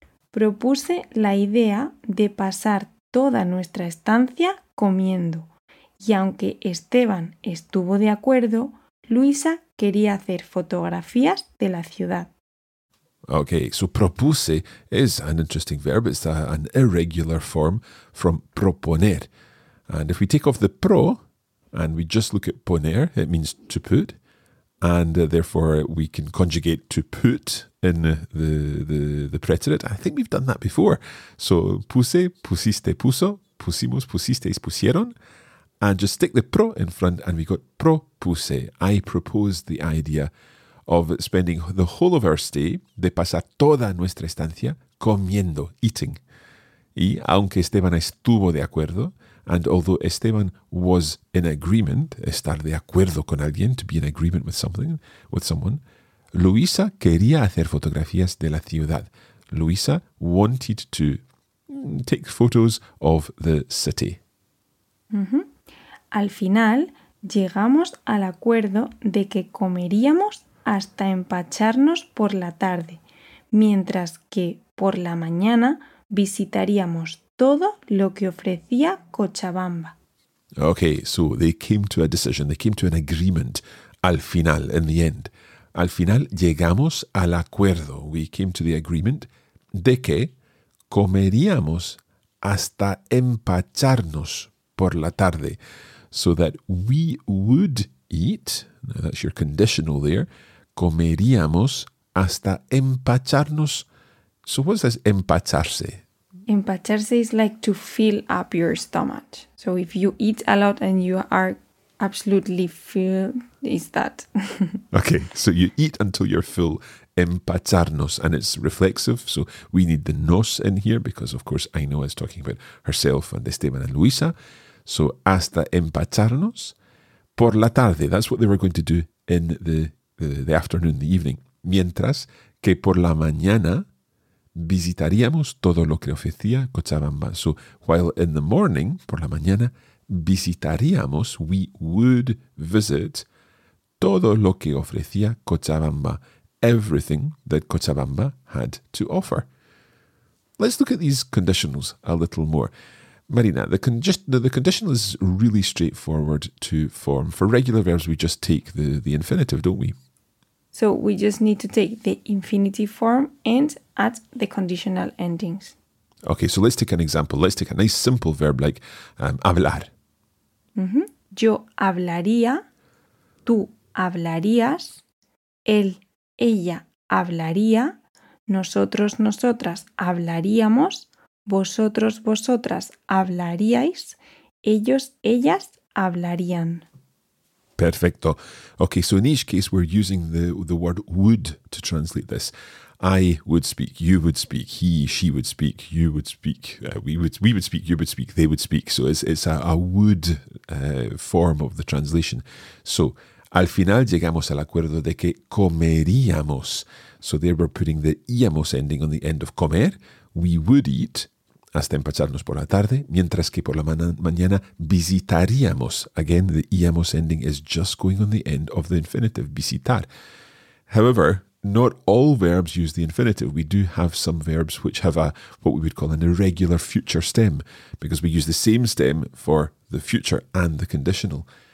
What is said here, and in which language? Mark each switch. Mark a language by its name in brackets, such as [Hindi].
[Spanish] Propuse la idea de pasar toda nuestra estancia comiendo. Y aunque Esteban estuvo de acuerdo, Luisa quería hacer fotografías de la ciudad. [English] Okay, so propuse is an interesting verb. It's an irregular form from proponer. And if we take off the pro and we just look at poner, it means to put. And therefore, we can conjugate to put in the preterite. I think we've done that before. [Spanish] So puse, pusiste, puso, pusimos, pusisteis, pusieron. [English] And just stick the pro in front and we got propuse. I proposed the idea of spending the whole of our stay, [Spanish] de pasar toda nuestra estancia, comiendo, [English] eating. [Spanish] Y aunque Esteban estuvo de acuerdo, [English] and although Esteban was in agreement, [Spanish] estar de acuerdo con alguien, [English] to be in agreement with something, with someone, [Spanish] Luisa quería hacer fotografías de la ciudad. [English] Luisa wanted to take photos of the city. Mm-hmm. [Spanish] Al final, llegamos al acuerdo de que comeríamos hasta empacharnos por la tarde, mientras que por la mañana visitaríamos todo lo que ofrecía Cochabamba. [English] Okay, so they came to a decision, they came to an agreement, [Spanish] al final, [English] in the end. [Spanish] Al final llegamos al acuerdo, [English] we came to the agreement, [Spanish] de que comeríamos hasta empacharnos por la tarde, [English] so that we would eat, now that's your conditional there, [Spanish] comeríamos hasta empacharnos. [English] So what's this empacharse? Empacharse is like to fill up your stomach. So if you eat a lot and you are absolutely filled, is that. Okay, so you eat until you're full. Empacharnos, and it's reflexive. So we need the nos in here because, of course, Aino is talking about herself and Esteban and Luisa. [Spanish] So hasta empacharnos por la tarde. [English] That's what they were going to do in the afternoon, the evening. [Spanish] Mientras que por la mañana visitaríamos todo lo que ofrecía Cochabamba. [English] So while in the morning, [Spanish] por la mañana, visitaríamos, [English] we would visit [Spanish] todo lo que ofrecía Cochabamba. [English] Everything that Cochabamba had to offer. Let's look at these conditionals a little more. Marina, the conditional is really straightforward to form. For regular verbs, we just take the infinitive, don't we? So we just need to take the infinitive form and add the conditional endings. Okay, so let's take an example. Let's take a nice simple verb like hablar. Mm-hmm. [Spanish] Yo hablaría, tú hablarías, él, ella hablaría, nosotros, nosotras hablaríamos, vosotros, vosotras hablaríais, ellos, ellas hablarían. Perfecto. [English] Okay, so in each case, we're using the word would to translate this. I would speak, you would speak, he, she would speak, you would speak, we would speak, you would speak, they would speak. So it's a would form of the translation. [Spanish] So, al final llegamos al acuerdo de que comeríamos. [English] So there we're putting the íamos ending on the end of comer. We would eat [Spanish] hasta empacharnos por la tarde, mientras que por la mañana visitaríamos. [English] Again, the íamos ending is just going on the end of the infinitive, visitar. However, not all verbs use the infinitive. We do have some verbs which have what we would call an irregular future stem, because we use the same stem for the future and the conditional.